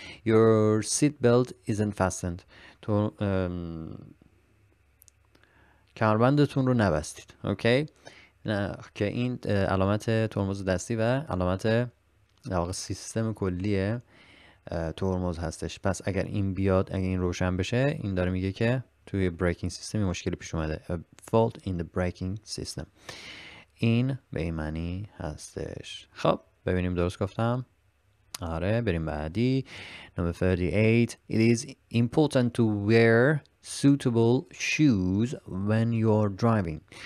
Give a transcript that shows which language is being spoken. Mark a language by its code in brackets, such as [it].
[en] Your seat belt isn't fastened. [fa] تو کمربندتون رو نبستید. اوکی؟ که این علامت ترمز دستی و علامت در واقع سیستم کلیه ترمز هستش. پس اگر این بیاد، اگر این روشن بشه، این داره میگه که توی بریکینگ سیستم مشکلی پیش اومده. [en] A fault in the braking system. [fa] این به این معنی هستش. خب ببینیم درست گفتم. آره، بریم بعدی. [en] Number 38. It is important to wear suitable shoes when you're driving.